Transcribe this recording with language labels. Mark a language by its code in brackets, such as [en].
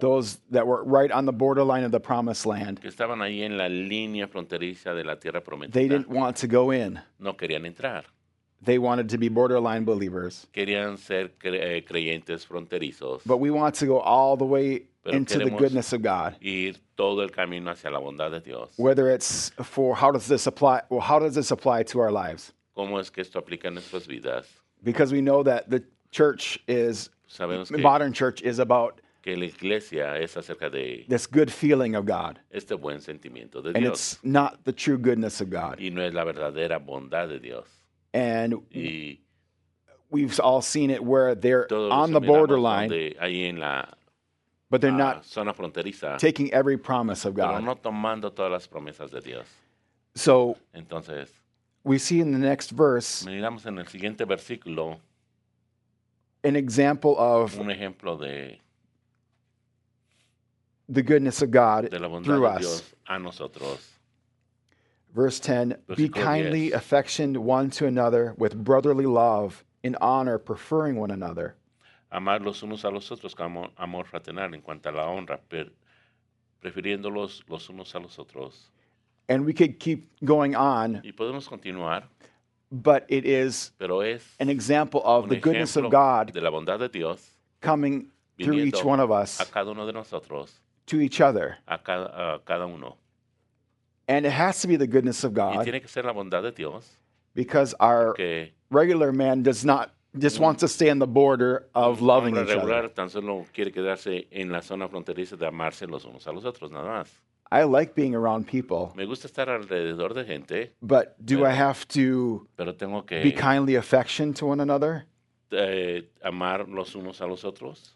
[en] those that were right on the borderline of the promised land, [es] que estaban ahí en la línea fronteriza de la tierra prometida, [en] they didn't want to go in. [es] No querían entrar. [en] They wanted to be borderline believers. [es] Querían ser creyentes fronterizos. [en] But we want to go all the way [es] Pero [en] into the goodness of God. [es] Ir todo el camino hacia la bondad de Dios. [en] Whether it's for how does this apply? Well, how does this apply to our lives? [es] ¿Cómo es que esto aplica en nuestras vidas? [en] Because we know that the church is. [es] Sabemos [en] modern [es] que, [en] church is about [es] que la iglesia es acerca de [en] this good feeling of God. [es] Este buen sentimiento de [en] and [es] Dios. [en] It's not the true goodness of God. [es] Y no es la verdadera bondad de Dios. [en] And [es] y [en] we've all seen it where they're on the borderline, [es] donde, ahí en la, [en] but they're [es] la [en] not [es] zona fronteriza, [en] taking every promise of God. [es] Pero no tomando todas las promesas de Dios. [en] So [es] Entonces, [en] we see in the next verse. [es] Miramos en el siguiente versículo. [en] An example of [es] un ejemplo de [en] the goodness of God [es] de la bondad [en] through [es] de Dios [en] us. [es] A nosotros. [en] Verse 10, [es] Versículo [en] be kindly 10. Affectioned one to another with brotherly love, in honor, preferring one another. [es] Amar los unos a los otros con amor fraternal en cuanto a la honra, prefiriéndolos los unos a los otros. [en] And we could keep going on. [es] Y podemos continuar. [en] But it is an example of the goodness of God [es] de la bondad de Dios [en] coming through each one of us [es] a cada uno de nosotros, [en] to each other. [es] A cada uno. [en] And it has to be the goodness of God [es] y tiene que ser la bondad de Dios, [en] because our [es] porque [en] regular man does not just want to stay on the border of [es] un [en] loving [es] hombre regular [en] each other. [es] Tan solo quiere quedarse en la zona fronteriza de amarse los unos a los otros, nada más. [en] I like being around people. [es] Me gusta estar alrededor de gente. [en] But do I have to [es] pero tengo que [en] be kindly affectionate to one another? [es] Amar los unos a los otros.